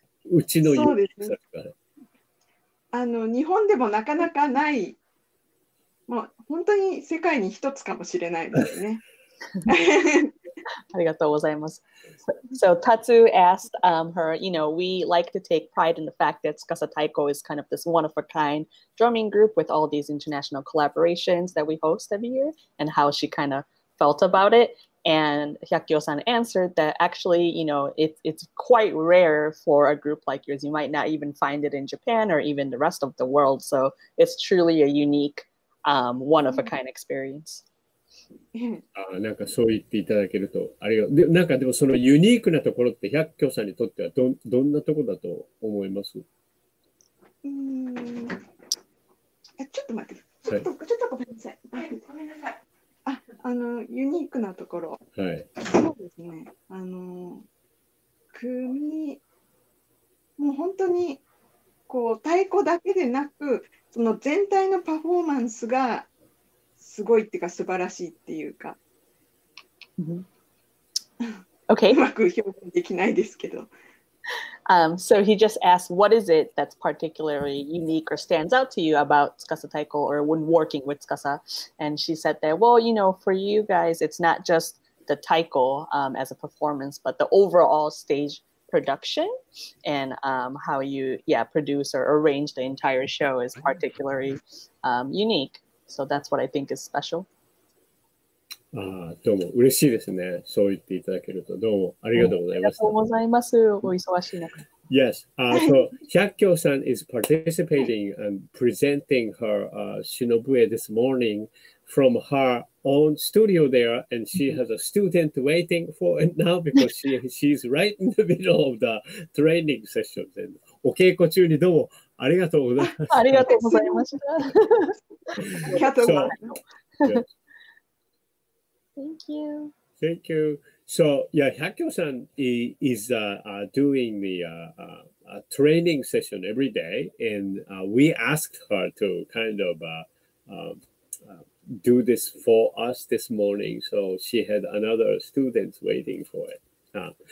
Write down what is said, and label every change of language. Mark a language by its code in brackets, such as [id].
[ja] うちの日本でもなかなかない、もう本当に世界に一つかもしれないですね。ありがとうございます。So [en] Tatsu asked her, you know, we like to take pride in the fact that Tsukasa Taiko is kind of this one-of-a-kind drumming group with all these international collaborations that we host every year, and how she kind of felt about it. And Hyakkyo-san answered that actually, you know, it's quite rare for a group like yours. You might not even find it in Japan or even the rest of the world. So it's truly a unique, one-of-a-kind experience. [ja] なんかそう言っていただけると、ありがとう。なんかでもそのユニークなところって、Hyakkyo-san にとってはどんなところだと思います? ちょっと待って。ごめんなさい。ユニークなところ。はい。そうですね。組、もう本当にこう太鼓だけでなく、その全体のパフォーマンスがすごいっていうか素晴らしいっていうか。うん。オッケー。うまく表現できないですけど。 [en] So he just asked, what is it that's particularly unique or stands out to you about Tsukasa Taiko or when working with Tsukasa? And she said that, well, you know, for you guys, it's not just the taiko as a performance, but the overall stage production and how you, yeah, produce or arrange the entire show is particularly unique. So that's what I think is special. Yes. So Hyakkyo-san is participating and presenting her Shinobue this morning from her own studio there, and she has a student waiting for it now because she's right in the middle of the training session. [ja] And お稽古中にどうもありがとうございました。ありがとうございました。 [en] Thank you. Thank you. So, yeah, Hyakkyo-san is doing the training session every day, and we asked her to kind of do this for us this morning. So she had another student waiting for it.